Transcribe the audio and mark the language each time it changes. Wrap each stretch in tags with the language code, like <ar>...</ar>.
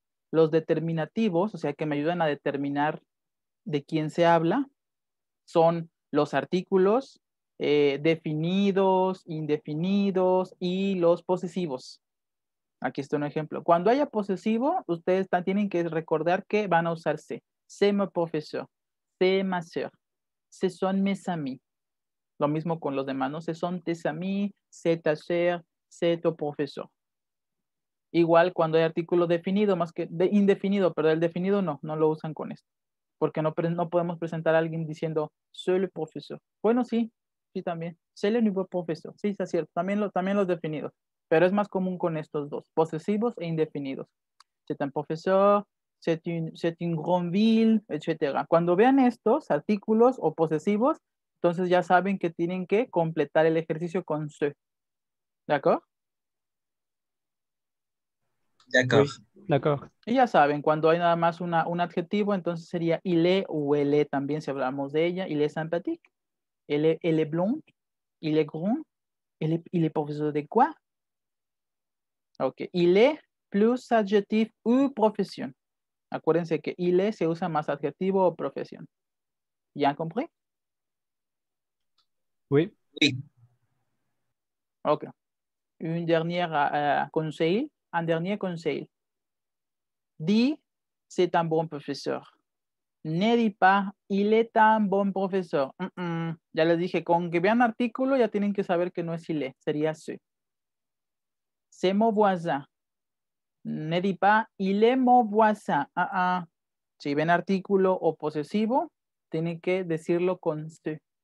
<es>Los determinativos, o sea, que me ayudan a determinar de quién se habla, son los artículos definidos, indefinidos y los posesivos. Aquí está un ejemplo. Cuando haya posesivo, ustedes tienen que recordar que van a usar se.</es> <fr>C'est mon professeur. C'est ma soeur. Ce sont mes amis.</fr> <es>Lo mismo con los demás, ¿no?</es> <fr>Ce sont tes amis, c'est ta soeur, c'est ton professeur.</fr> <es>Igual cuando hay artículo definido, más que de indefinido, pero el definido no, no lo usan con esto. Porque no, no podemos presentar a alguien diciendo,</es> <fr>c'est le professeur.</fr> <es>Bueno, sí, sí también.</es> <fr>C'est le nouveau professeur.</fr> <es>Sí, está cierto. También los definidos. Pero es más común con estos dos, posesivos e indefinidos.</es> <fr>C'est un professeur, c'est une grande ville, etc.</fr> <es>Cuando vean estos artículos o posesivos, entonces ya saben que tienen que completar el ejercicio con se. ¿De acuerdo? De acuerdo. Y ya saben, cuando hay nada más un adjetivo, entonces sería il est o elle est también, si hablamos de ella.</es> <fr>Il est sympathique, elle est blonde, il est grand, il est professeur de quoi? Ok, il est plus adjectif ou profession.</fr> <es>Acuérdense que il est se usa más adjetivo o profesión. ¿Ya han compris?</es> <fr>Oui. Oui. Ok. Un dernier conseil. Un dernier conseil. Dis, c'est un bon professeur. Ne dis pas, il est un bon professeur.</fr> <es>Ya les dije, con que vean artículo, ya tienen que saber que no es il est. Sería ce.</es> <fr>C'est mon voisin. Ne dis pas, il est mon voisin.</fr> <es>Si ven artículo o posesivo, tienen que decirlo con ce.</es>